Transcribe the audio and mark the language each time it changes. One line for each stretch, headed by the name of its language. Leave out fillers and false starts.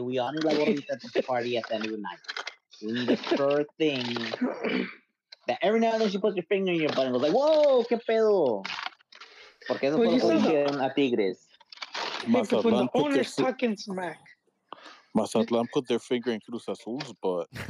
English: We all need like a little bit of a party at the end of the night. We need a sure thing that every now and then she puts your finger in your butt and goes like, whoa,
Spanish: qué pedo? Porque eso fue lo que dijeron a Tigres.
English: Mazatlan put their fucking smack. Mazatlan put their finger in Cruz Azul's butt.